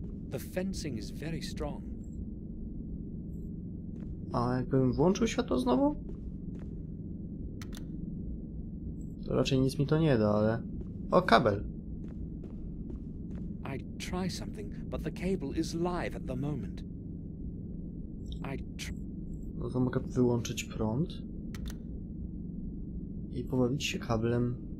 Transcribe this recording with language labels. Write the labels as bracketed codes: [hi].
[en] The fencing is very strong. [pl] A jakbym włączył światło znowu? To raczej nic mi to nie da, ale... O, kabel! [en] I'd try something, but the cable is live at the moment. [pl] No to mogę wyłączyć prąd i pobawić się kablem.